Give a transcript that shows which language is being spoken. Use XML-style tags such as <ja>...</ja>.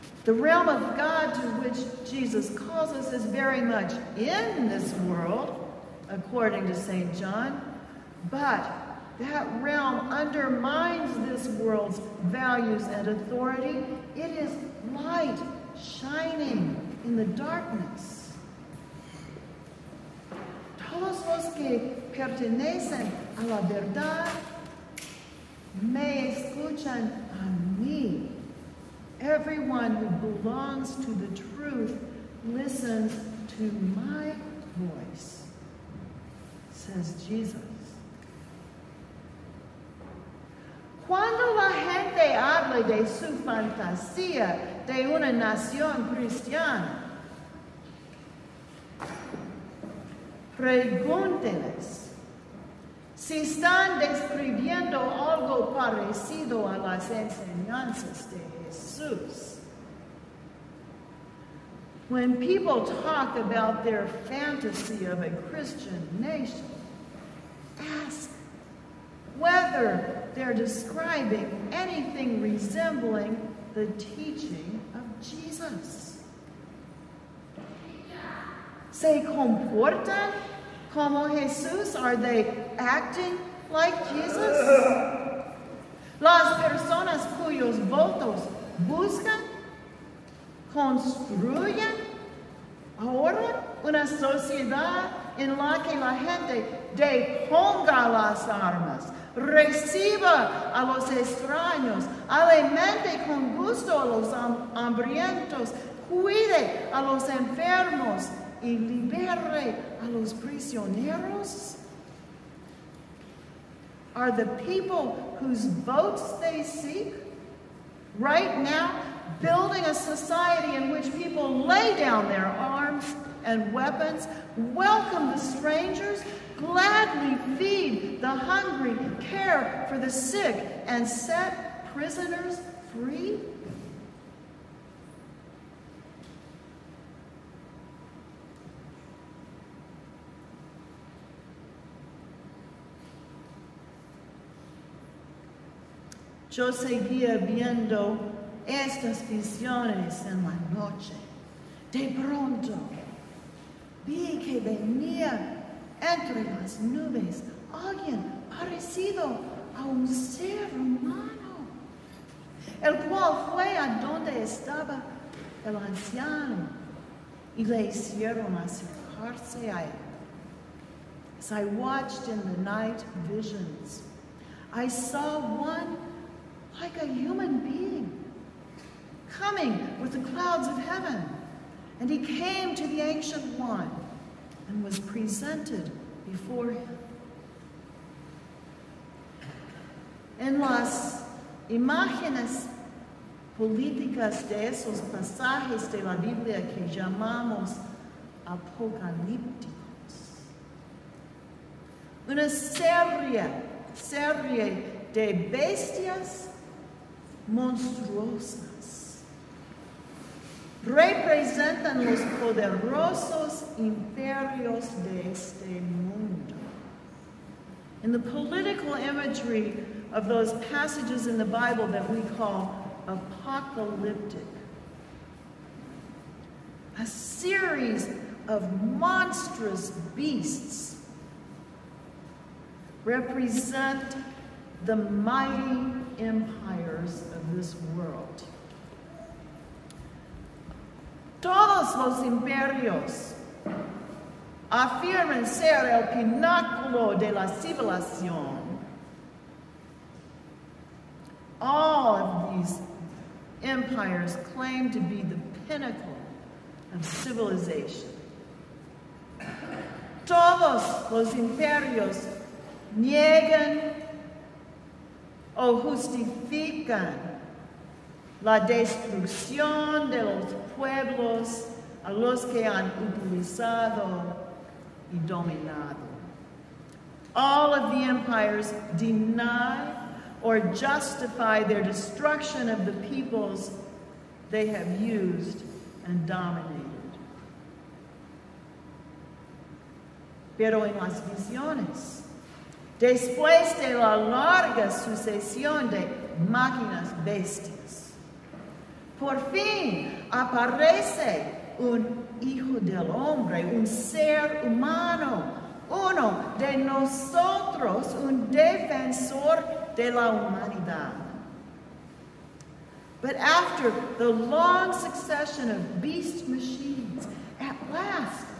<en>The realm of God to which Jesus calls us is very much in this world, according to St. John. But that realm undermines this world's values and authority. It is light shining in the darkness.</en> <es>aquellos que pertenecen a la verdad me escuchan a mí.</es> <en>Everyone who belongs to the truth listens to my voice, says Jesus.</en> <es>Cuando la gente habla de su fantasía de una nación cristiana, pregúnteles si están describiendo algo parecido a las enseñanzas de Jesús.</es> <en>When people talk about their fantasy of a Christian nation, ask whether they're describing anything resembling the teaching of Jesus.</en> <es>¿Se comportan como Jesús?</es> <en>Are they acting like Jesus?</en> <es>Las personas cuyos votos buscan, construyen ahora una sociedad en la que la gente deponga las armas, reciba a los extraños, alimente con gusto a los hambrientos, cuide a los enfermos, y libere a los prisioneros?</es> <en>Are the people whose votes they seek right now building a society in which people lay down their arms and weapons, welcome the strangers, gladly feed the hungry, care for the sick, and set prisoners free?</en> <es>Yo seguía viendo estas visiones en la noche. De pronto, vi que venía entre las nubes alguien parecido a un ser humano, el cual fue a donde estaba el anciano y le hicieron acercarse a él.</es> <en>As I watched in the night visions, I saw one like a human being, coming with the clouds of heaven. And he came to the Ancient One and was presented before him.</en> <es>En las imágenes políticas de esos pasajes de la Biblia que llamamos apocalípticos, una serie de bestias monstruosas representan los poderosos imperios de este mundo.</es> <en>In the political imagery of those passages in the Bible that we call apocalyptic, a series of monstrous beasts represent the mighty empires of this world.</en> <es>Todos los imperios afirman ser el pináculo de la civilización.</es> <en>All of these empires claim to be the pinnacle of civilization.</en> <es>Todos los imperios niegan o justifican la destrucción de los pueblos a los que han utilizado y dominado.</es> <en>All of the empires deny or justify their destruction of the peoples they have used and dominated.</en> <es>Pero en las visiones, después de la larga sucesión de máquinas bestias, por fin aparece un hijo del hombre, un ser humano, uno de nosotros, un defensor de la humanidad.</es> <en>But after the long succession of beast machines, at last</en>